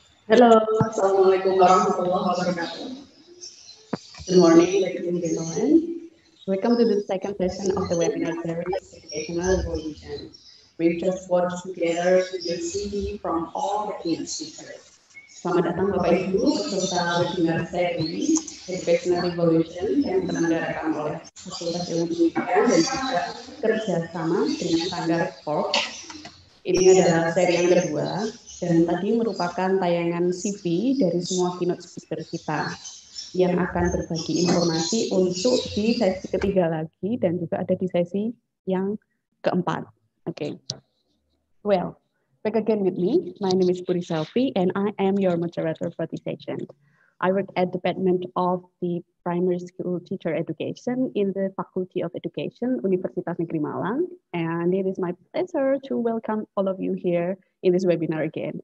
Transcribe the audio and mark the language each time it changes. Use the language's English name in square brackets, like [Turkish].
[English] Hello, assalamualaikum warahmatullahi wabarakatuh. Good morning, ladies and gentlemen. Welcome to the second session of the webinar series, Educational Evolution. We've just watched together the CD from all the keynote speakers. [Indonesian] Selamat datang Bapak Ibu peserta webinar series, Educational Evolution, yang diselenggarakan oleh Fakultas Ilmu Pendidikan dan juga kerjasama dengan Sanggar Corp. Ini adalah seri yang kedua, dan tadi merupakan tayangan CV dari semua keynote speaker kita yang akan berbagi informasi untuk di sesi ketiga lagi dan juga ada di sesi yang [English] keempat. Okay. Well, back again with me. My name is Puri Selfi, and I am your moderator for this session. I work at the Department of the Primary School Teacher Education in the Faculty of Education, Universitas Negeri Malang. And it is my pleasure to welcome all of you here in this webinar again.